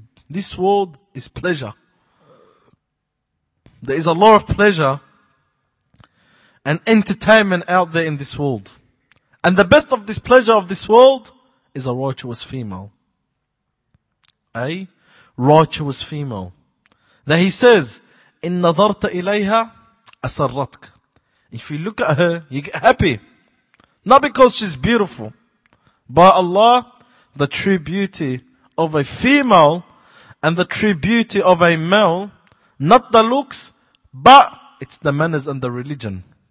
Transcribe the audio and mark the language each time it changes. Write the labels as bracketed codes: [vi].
[en] This world is pleasure. There is a lot of pleasure and entertainment out there in this world. And the best of this pleasure of this world is a righteous female. A righteous female. That he says, [ar] إِن نَظَرْتَ إِلَيْهَا أَسَرَّتْكَ. [en] If you look at her, you get happy. Not because she's beautiful. By Allah, the true beauty of a female and the true beauty of a male, not the looks, but it's the manners and the religion.